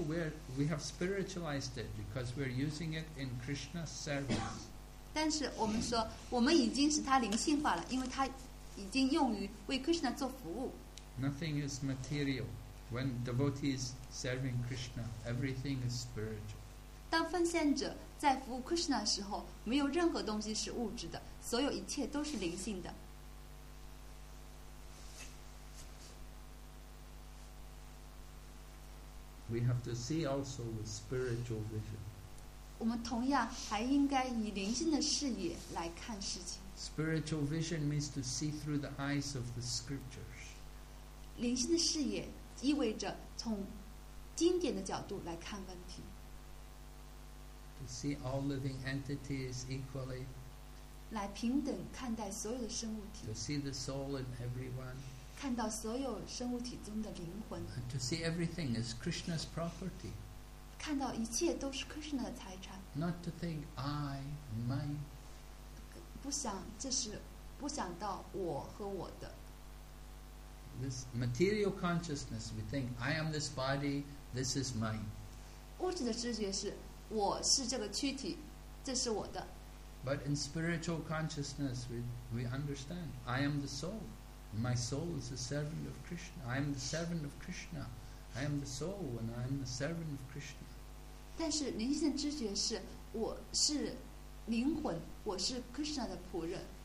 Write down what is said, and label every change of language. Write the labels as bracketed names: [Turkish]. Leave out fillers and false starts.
[English] We have spiritualized it because we're using it in Krishna's service. [Chinese] 但是我们说，我们已经使它灵性化了，因为它已经用于为 Krishna 做服务。 [English] Nothing is material when devotee is serving Krishna. Everything is spiritual. [Chinese] 当奉献者在服务 Krishna 的时候，没有任何东西是物质的，所有一切都是灵性的。 [English] We have to see also with spiritual vision. [Chinese] 我们同样还应该以灵性的视野来看事情。 [English] Spiritual vision means to see through the eyes of the scriptures. [Chinese] 灵性的视野意味着从经典的角度来看问题。 [English] To see all living entities equally. [Chinese] 来平等看待所有的生物体。 [English] To see the soul in everyone. [Chinese] 看到所有生物体中的灵魂 [English] And to see everything is Krishna's property [Chinese] 看到一切都是 Krishna 的财产 [English] Not to think I, mine [Chinese] 不想这是不想到我和我的 [English] This material consciousness we think I am this body, this is mine [Chinese] 物质的知觉是我是这个躯体这是我的 [English] But in spiritual consciousness we understand I am the soulMy soul is the servant of Krishna. I am the servant of Krishna. I am the soul, and I am the servant of Krishna. [Chinese] 但是灵性知觉是我是灵魂，我是 Krishna 的仆人。